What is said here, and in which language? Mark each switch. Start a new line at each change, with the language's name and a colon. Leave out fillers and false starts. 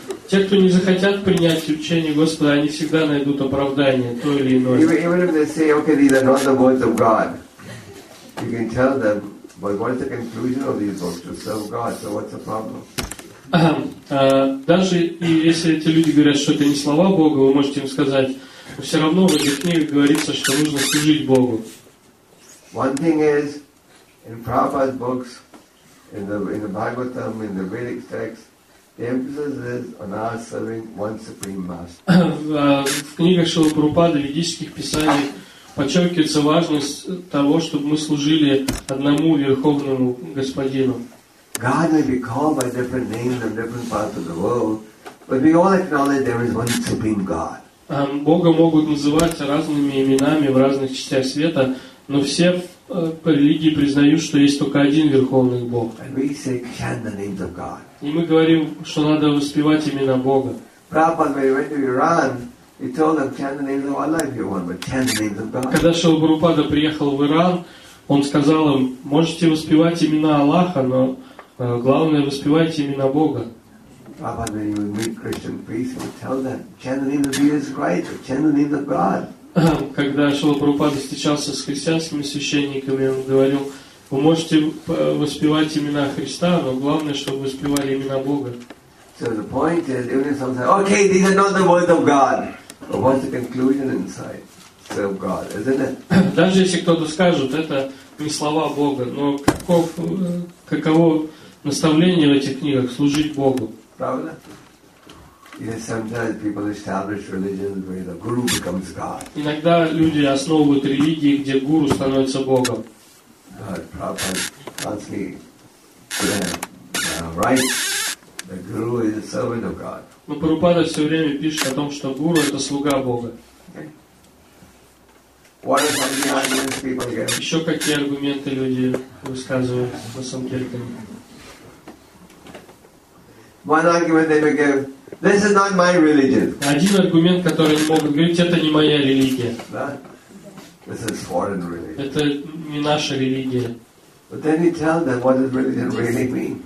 Russian: Те, кто не захотят принять учение Господа, они всегда найдут оправдание, то или иное.
English: Even if they say, okay, these are not the words of God, you can tell them, but what is the conclusion of these books? To serve God, so what's the problem?
Russian: Даже если эти люди говорят, что это не слова Бога, вы можете им сказать, но все равно в этих книгах говорится, что нужно служить Богу.
English: One thing is, in Prabhupada's books, in the Bhagavatam, in the Vedic texts, the emphasis is on our serving one supreme master.
Russian: В книгах Шрилы Прабхупады, ведических писаниях, подчеркивается важность того, чтобы мы служили одному Верховному Господину.
English: God may be called by different names in different parts of the world, but we all acknowledge there is one supreme God.
Russian: Бога могут называть разными именами в разных частях света, но все по религии признают, что есть только один Верховный Бог.
English: And we say, chant the names of God.
Russian: И мы говорим, что надо воспевать имена Бога. Когда Шрила Прабхупада приехал в Иран, он сказал им, можете воспевать имена Аллаха, но главное, воспевайте имена Бога. Когда Шрила Прабхупада встречался с христианскими священниками, он говорил, вы можете воспевать имена Христа, но главное, чтобы вы воспевали имена Бога.
English: So the point is, even if someone says, okay, these are not the words of God, but what's the conclusion inside? Serve God, isn't it?
Russian: Даже если кто-то скажет, это не слова Бога, но каково наставление в этих книгах служить Богу? Правда?
English: Yes, sometimes people establish religions where the guru becomes God.
Russian: Иногда люди основывают религии, где гуру становится Богом.
English: But Prabhupada right? The guru is a servant of God.
Russian: Но Прабхупада все время пишет о том, что гуру это слуга Бога.
English: What are some arguments people get?
Russian: Еще какие аргументы люди высказывают по санкиртане?
English: One argument they may give: this is not my religion.
Russian: Один аргумент, который они могут говорить, это не моя религия.
English: This is foreign religion.
Russian: Это не наша религия.
English: But then you tell them what does religion really mean.